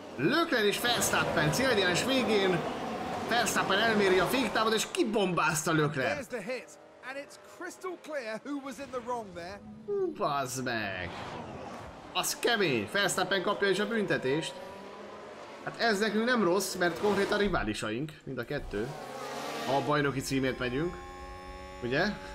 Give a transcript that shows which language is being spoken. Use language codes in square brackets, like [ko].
[hu] Leclerc és Verstappen, célegyenes végén. Verstappen elméri a féktávot és kibombázta Leclerc. [en] There's the hit. And it's crystal clear who was in the wrong there. [hu] Bazd meg. Az kemény. Verstappen kapja is a büntetést. Hát ez nekünk nem rossz, mert konkrétan riválisaink, mind a kettő. Ha a bajnoki címért megyünk. Ugye?